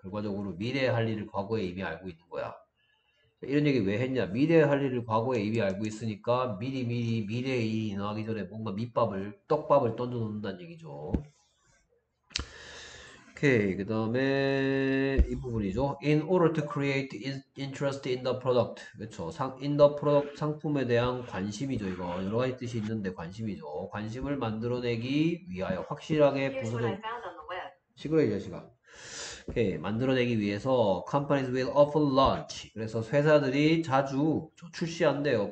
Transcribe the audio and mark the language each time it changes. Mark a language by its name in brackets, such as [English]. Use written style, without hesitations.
[Korean] 결과적으로 미래에 할 일을 과거에 이미 알고 있는 거야. 이런 얘기 왜 했냐? 미래에 할 일을 과거에 이미 알고 있으니까 미리미리 미래의 일이 일어나기 전에 뭔가 떡밥을 던져놓는다는 얘기죠. 오케이, 그 다음에 이 부분이죠. [English] In order to create interest in the product. [Korean] 그렇죠. [English] In the product [Korean] 상품에 대한 관심이죠. 이거 여러 가지 뜻이 있는데 관심이죠. 관심을 만들어내기 위하여 확실하게 부서적 시끄러워요, 시간. 오케이, 만들어내기 위해서 [English] companies will often launch. [Korean] 그래서 회사들이 자주 출시한대요.